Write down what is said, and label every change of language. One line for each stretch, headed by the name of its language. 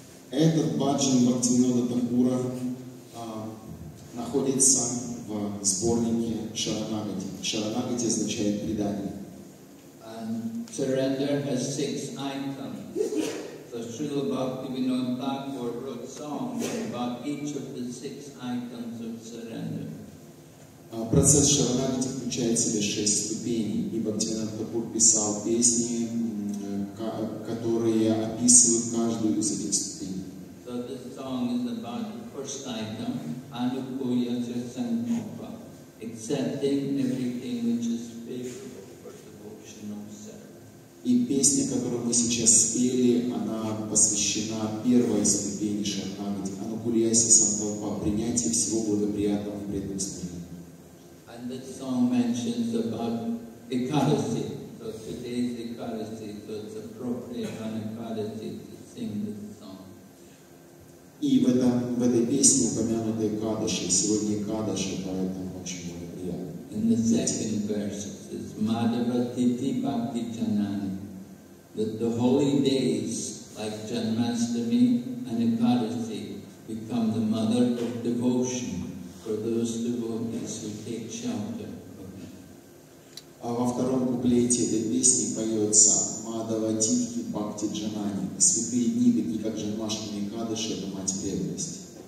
Russian: Этот баджан Бхактивинода Тхакура находится в сборнике Шаранагати. Шаранагати означает предание.
English: Surrender has six items. So Srila Bhaktivinoda Thakur wrote songs about each of the six items of surrender.
Russian: Процесс Шаранагати включает в себя шесть ступеней, и Бхактивинода Тхакур писал песни, которые описывают каждую из этих ступеней.
English: So this song is about the first item, Anukuya Chasankopa, accepting everything which is favorable for devotional service.
Russian: И песня, которую мы сейчас спели, она посвящена первой ступени Шаранагати, Anukuya Chasankopa, принятие всего благоприятного в преданном служении.
English: And this song mentions about Ekadasi, so today's Ekadasi, so it's appropriate on Ekadasi to sing this.
Russian: И в этой песне упомянутой Экадаши, сегодня Экадаши, поэтому очень благоприятно.
English: In the second verse it says,
Sanskrit: Madhava Titi Bhakti Janani,
English: that the holy days, like Janmashtami and Ekadasi, become the mother of devotion for those devotees who take shelter of them.
Russian: А во втором куплете этой песни поется,
Sanskrit: Мадава Титхи Бхакти Джанани.
Russian: Святые дни, такие как Джанмаштами и Кадыши, это мать преданности.